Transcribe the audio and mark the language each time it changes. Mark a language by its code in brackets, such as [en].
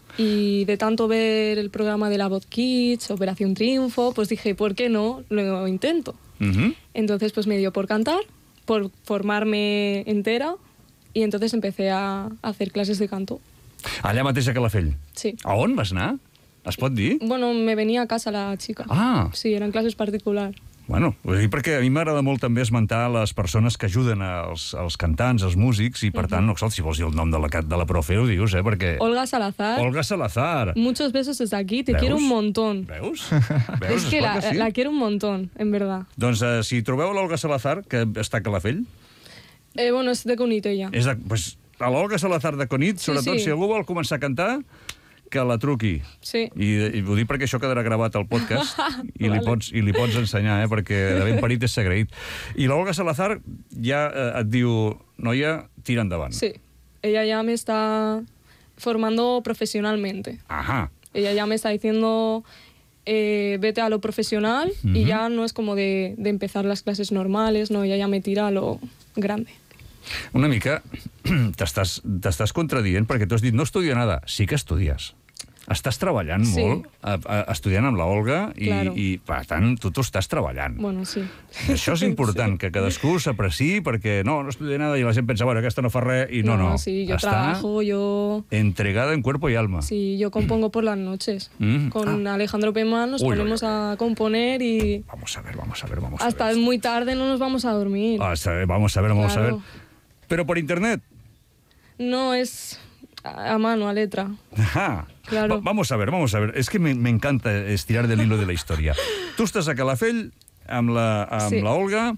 [es] Y de tanto ver el programa de La Voz Kids, Operación Triunfo, pues dije, ¿por qué no? Lo intento. Entonces pues me dio por cantar, por formarme entera, y entonces empecé a hacer clases de canto. [ca] ¿Allá mateix a Calafell? Sí. ¿A on vas anar? ¿Es pot dir? [es] Bueno, me venía a casa la chica. Ah. Sí, eran clases particulares. [ca] Bueno, perquè a mi m'agrada molt també esmentar les persones que ajuden els cantants, els músics, i per tant, si vols dir el nom de la profe, ho dius, perquè... Olga Salazar. Olga Salazar. [es] Muchos besos desde aquí, te quiero un montón. [ca] Veus? [es] Es que la quiero un montón, en verdad. [ca] Doncs si trobeu l'Olga Salazar, que està a Calafell... Bueno, és de Cunit, ella. Pues a l'Olga Salazar de Cunit, sobretot si algú vol començar a cantar... que la truqui. Sí. I ho dic perquè això quedarà gravat al podcast i, vale. li pots ensenyar, perquè de ben parit és agraït. I l'Olga Salazar ja et diu, noia, tira endavant. Sí. Ella ja m'està [es] formando professionalmente. [ca] Ajà. [es] Ella [ca] ja m'està [es] diciendo vete a lo profesional y ya no es como de empezar las clases normales, no, ella ya me tira a lo grande. [ca] Una mica t'estàs contradient perquè tu has dit [es] no estudia nada. [ca] Sí que estudies. Estàs treballant molt, estudiant amb l'Olga i per tant, tu t'ho estàs treballant. Bueno, sí. Això és important, sí. Que cadascú s'apreciï perquè [es] no estudia nada [ca] i la gent pensa, bueno, aquesta no fa res i no. [es] Sí, yo [ca] està [es] trabajo, yo... Entregada en cuerpo y alma. Sí, yo compongo por las noches. Con Alejandro Pemán nos ponemos a componer y... Vamos a ver. Hasta muy tarde no nos vamos a dormir. Vamos a ver. ¿Pero por internet? No, es a mano, a letra. Ajá. Claro. Vamos a ver. Es que me encanta estirar del hilo de la historia. Tú estás [ca] a Calafell amb la Olga.